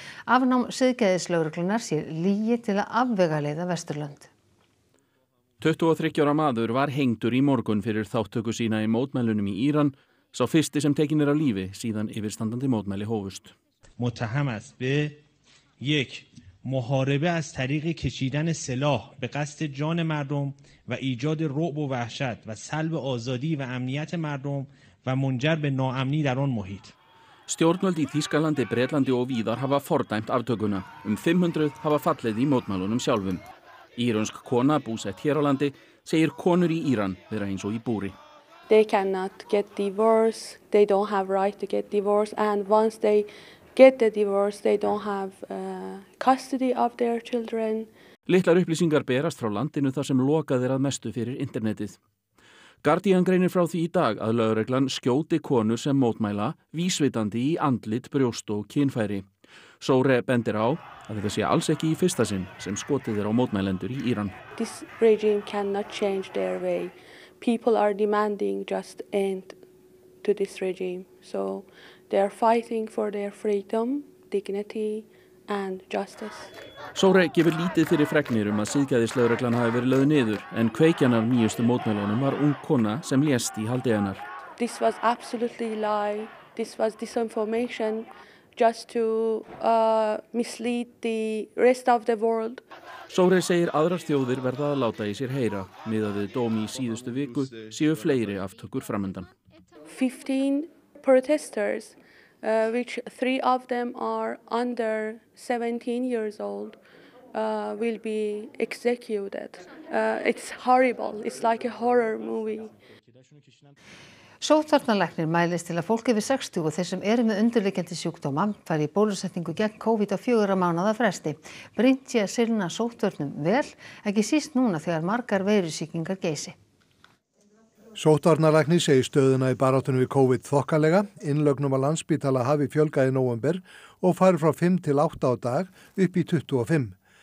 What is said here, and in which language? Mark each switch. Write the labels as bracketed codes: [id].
[is] Afnám siðgæðislögreglunnar sér lígi til að afvegaleiða Vesturlönd. 23 ára maður var hengdur í morgun fyrir þáttöku sína í mótmælunum í Íran, sá fyrsti sem tekin á lífi síðan yfirstandandi mótmæli hófust. [fa] Mótaham ast be 1. محاربه از طریق کشیدن سلاح به قصد جان مردم و ایجاد رعب و وحشت و سلب آزادی و امنیت مردم و منجر به ناامنی در آن محیط. [is] Stjórnvöld í Þýskalandi, Bretlandi og víðar hafa fordæmt aftökuna. 500 hafa fallið í mótmælunum sjálfum. Írönsk kona búsett hér á landi segir konur í Íran vera eins og í búri. [en] They cannot get divorced. They don't have right to get divorced and once they get the divorce they don't have custody of their children. [is] Litlar upplýsingar berast frá landinu þar sem lokað að mestu fyrir internetið. Guardian greinir frá því í dag að lögreglan skjóti konu sem mótmæla vísvitandi í andlit, brjóst og kynfæri. Sore bendir á að þetta sé alls ekki í fyrsta sinn sem skotið á mótmælendur í Íran. [en] This regime cannot change their way. People are demanding just end to this regime. So they are fighting for their freedom, dignity and justice. [is] Sore gefur lítið fyrir fregnir að siðgæðislögreglan hafi verið lögð niður, en kveikjan af nýjustu mótmælunum var ung kona sem lést í haldi hennar. [en] This was absolutely lie. This was disinformation just to mislead the rest of the world. [is] Sore segir aðrar þjóðir verða að láta í sér heyra. Miðað við dómi í síðustu viku séu fleiri aftökur framundan. [en] 15 protesters, which 3 of them are under 17 years old, will be executed. It's horrible. It's like a horror movie. [is] Sóttvarnalæknir mælist til að fólk yfir 60 og þeir sem eru með undirliggjandi sjúkdóma fari í bólusetningu gegn COVID á 4 mánaða fresti. Brýnt sé að sinna sóttvörnum vel, ekki síst núna þegar margar veirusýkingar geysi. Sóttvarnalæknir segir stöðuna í baráttunum við COVID þokkalega, innlögnum á Landspítala hafi fjölgað í nóvember og fari frá 5 til 8 á dag upp í 25.